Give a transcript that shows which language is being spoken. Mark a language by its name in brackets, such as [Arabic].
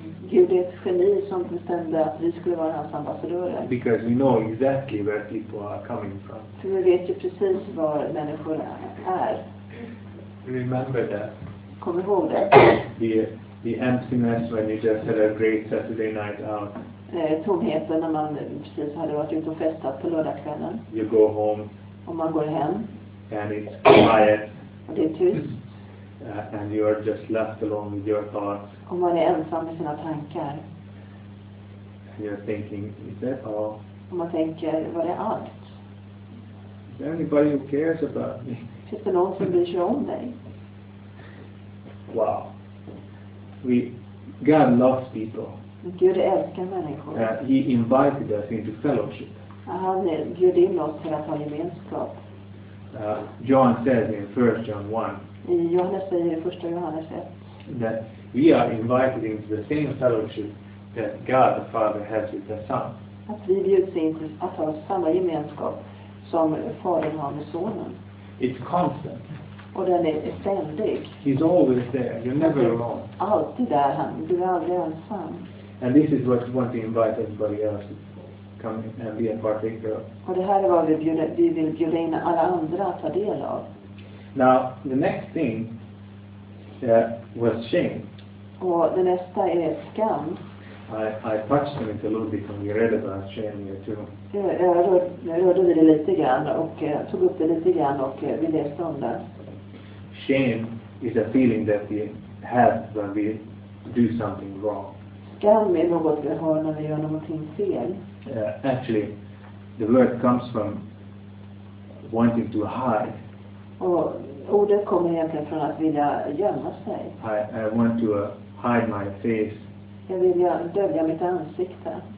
[Swedish] Gud är ett geni som bestämde att vi skulle vara hans ambassadörer. [English] Because we know exactly where people are coming from. [Swedish] För vi vet ju precis var människor är. [English] Remember that. [Swedish] Kom ihåg det. [English] The emptiness when you just had a great Saturday night out. [Swedish] Tomheten när man precis hade varit ute och festat på lördagskvällen. [English] You go home. [Swedish] Och man går hem. [English] And it's quiet. [Swedish] Och det är tyst. [English] And you are just left alone with your thoughts. [Swedish] Om man är ensam med sina tankar. [English] And you're thinking, is that all? [Swedish] Om man tänker, vad är allt? [English] Is there anybody who cares about me? [Swedish] Finns det någon som bryr sig om dig? [English] Wow. God loves people. [Swedish] Gud älskar människor. [English] He invited us into fellowship. [Swedish] Han bjöd in oss till att ha gemenskap. [English] John says in 1 John 1. [Swedish] I Johannes säger det, första Johannes 1. [English] That we are invited into the same fellowship that God the Father has with the Son. [Swedish] Att vi bjuds in till att ha samma gemenskap som Fadern har med Sonen. [English] It's constant. [Swedish] Och den är ständig. [English] He's always there. You're never alone. [Swedish] Alltid där han. Du är aldrig ensam. [English] And this is what we want to invite everybody else to come and be a partaker of. [Swedish] Och det här är vad vi vill bjuda in alla andra att ta del av. [English] Now the next thing was shame. [Swedish] Och det nästa är skam. [English] I touched on it a little bit when we read about shame here too. [Swedish] Jag rörde vid det lite grann och tog upp det lite grann och vi läste om det. [English] Shame is a feeling that we have when we do something wrong. [Swedish] Skam är något vi har när vi gör någonting fel. [English] Actually, the word comes from wanting to hide. [Swedish] Och ordet kommer egentligen från att vilja gömma sig. [English] I want to hide my face. [Swedish] Jag vill dölja mitt ansikte.